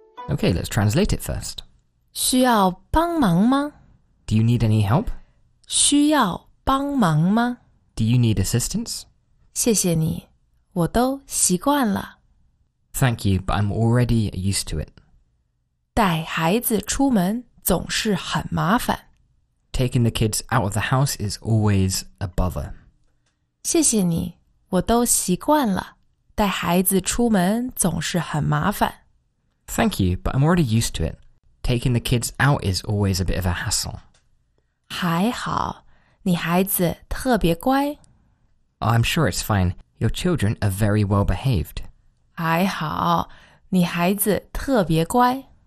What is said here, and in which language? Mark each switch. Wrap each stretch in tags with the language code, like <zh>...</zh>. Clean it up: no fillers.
<en>Okay, let's translate it first.</en> <zh>需要帮忙吗?</zh> <en>Do you need any help?</en> <zh>需要帮忙吗?</zh> <en>Do you need assistance?</en> <zh>谢谢你,我都习惯了。</zh> <en>Thank you, but I'm already used to it.</en> <zh>带孩子出门总是很麻烦。</zh> <en>Taking the kids out of the house is always a bother.</en> <zh>谢谢你,我都习惯了。带孩子出门总是很麻烦。</zh> <en>Thank you, but I'm already used to it. Taking the kids out is always a bit of a hassle.</en> <zh>还好,你孩子特别乖。</zh> <en>I'm sure it's fine. Your children are very well behaved.</en> <zh>还好,你孩子特别乖。</zh>